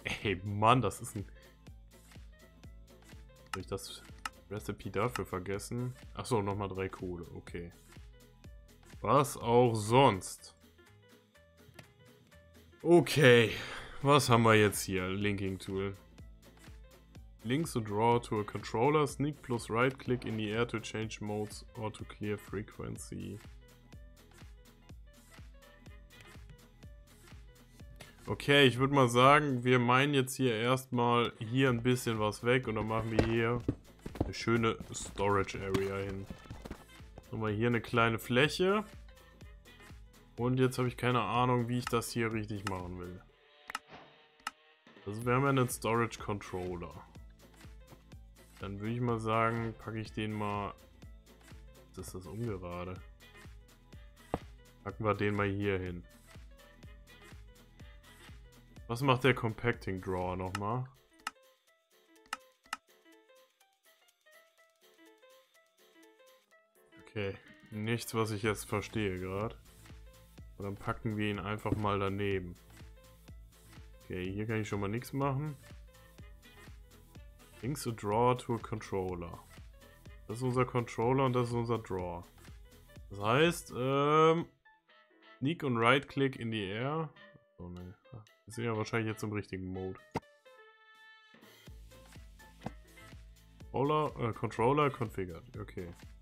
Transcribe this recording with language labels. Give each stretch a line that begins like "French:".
German: Ey, Mann, das ist ein... Habe ich das Recipe dafür vergessen? Achso, nochmal 3 Kohle, okay. Was auch sonst? Okay, was haben wir jetzt hier? Linking Tool.
English: Links to draw to a controller, sneak plus right click in the air to change modes or to clear frequency.
German: Okay, ich würde mal sagen, wir meinen jetzt hier erstmal hier ein bisschen was weg und dann machen wir hier eine schöne Storage Area hin. Nochmal hier eine kleine Fläche. Und jetzt habe ich keine Ahnung, wie ich das hier richtig machen will. Also wir haben ja einen Storage Controller. Dann würde ich mal sagen, packe ich den mal. Was ist das ungerade? Packen wir den mal hier hin. Was macht der Compacting Drawer nochmal? Okay, nichts, was ich jetzt verstehe gerade. Dann packen wir ihn einfach mal daneben. Okay, hier kann ich schon mal nichts machen.
English: Links a draw to a controller.
German: Das ist unser Controller und das ist unser Draw. Das heißt, Sneak und
English: right click in the air.
German: Oh ne. Wir sind ja wahrscheinlich jetzt im richtigen Mode.
English: Controller configured. Okay.